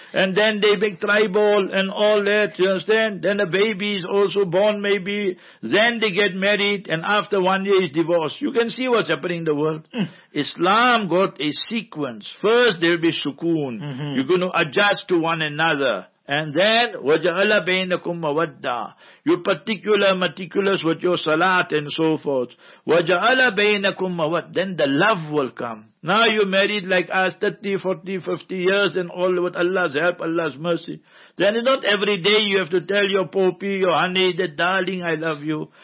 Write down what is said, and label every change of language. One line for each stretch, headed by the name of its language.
English: And then they make tribal and all that, you understand? Then the baby is also born maybe. Then they get married and after 1 year is divorced. You can see what's happening in the world. Islam got a sequence. First there will be sukoon. Mm-hmm. You're going to adjust to one another. And then,
Arabic: وَجَعَلَ بَيْنَكُمْ مَوَدَّةً.
English: You particular, meticulous with your salat and so forth.
Arabic: وَجَعَلَ بَيْنَكُمْ مَوَدَّةً.
English: Then the love will come. Now you married like us 30, 40, 50 years and all with Allah's help, Allah's mercy. Then it's not every day you have to tell your popi, your honey, that darling, I love you.